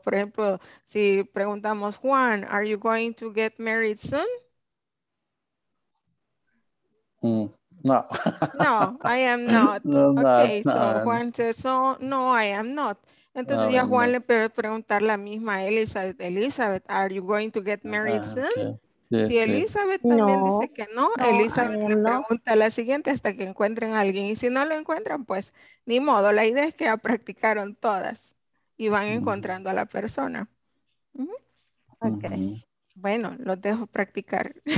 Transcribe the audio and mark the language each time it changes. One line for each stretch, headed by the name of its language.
Spanish: Por ejemplo, si preguntamos
English: Juan, are you going to get married soon? No, I am not. Juan says, no, I am not.
Spanish: Entonces ya Juan le puede preguntar la misma a Elizabeth.
English: Elizabeth, are you going to get married soon? Okay. Yes,
Spanish: si Elizabeth sí. También no, dice que no, Elizabeth le pregunta a la siguiente hasta que encuentren a alguien. Y si no lo encuentran, pues ni modo. La idea es que ya practicaron todas y van encontrando a la persona.
English: Okay.
Spanish: Bueno, los dejo practicar.